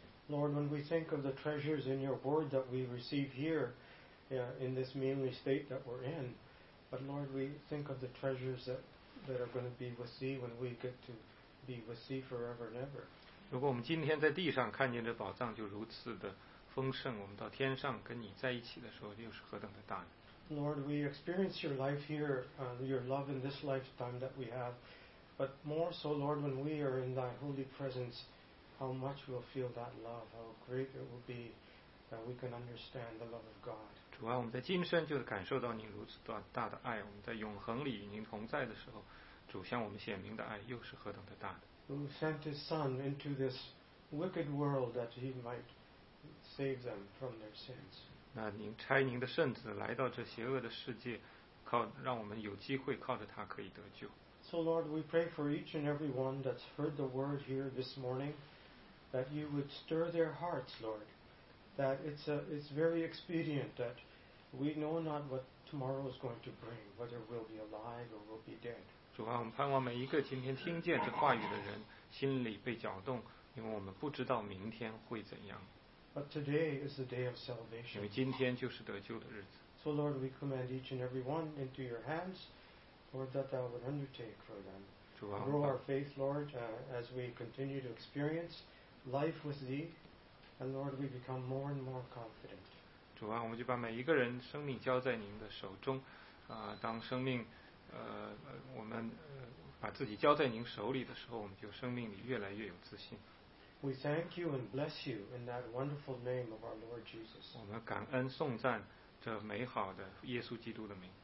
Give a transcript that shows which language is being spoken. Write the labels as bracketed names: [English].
[English] Lord, when we think of the treasures in your word that we receive here, in this meanly state that we're in, but Lord, we think of the treasures that are going to be with thee when we get to. Be with thee forever and ever. [Chinese] 如果我们今天在地上看见这宝藏就如此的丰盛，我们到天上跟你在一起的时候又是何等的大呢？ [English] Lord, we experience your life here, your love in this lifetime that we have, but more so, Lord, when we are in thy holy presence, how much we'll feel that love, how great it will be that we can understand the love of God. [Chinese] 主啊，我们在今生就感受到你如此大的爱，我们在永恒里与您同在的时候。主向我们显明的爱又是何等的大的。 [English] Who sent his son into this wicked world that he might save them from their sins? [Chinese] 那您差您的圣子来到这邪恶的世界，靠让我们有机会靠着他可以得救。 [English] So Lord, we pray for each and every one that's heard the word here this morning, that you would stir their hearts, Lord, that it's very expedient that we know not what tomorrow is going to bring, whether we'll be alive or we'll be dead. [Chinese] 主啊，我们盼望每一个今天听见这话语的人心里被搅动，因为我们不知道明天会怎样。 [English] But today is the day of salvation. [Chinese] 因为今天就是得救的日子。 [English] So Lord, we commend each and every one into your hands, Lord, that thou would undertake for them. [Chinese] 主啊， [English] grow our faith, Lord, as we continue to experience life with thee, and Lord, we become more and more confident. [Chinese] 主啊，我们就把每一个人生命交在您的手中，当生命。我们把自己交在您手里的时候，我们就生命里越来越有自信。 [English] We thank you and bless you in that wonderful name of our Lord Jesus. [Chinese] 我们感恩颂赞这美好的耶稣基督的名。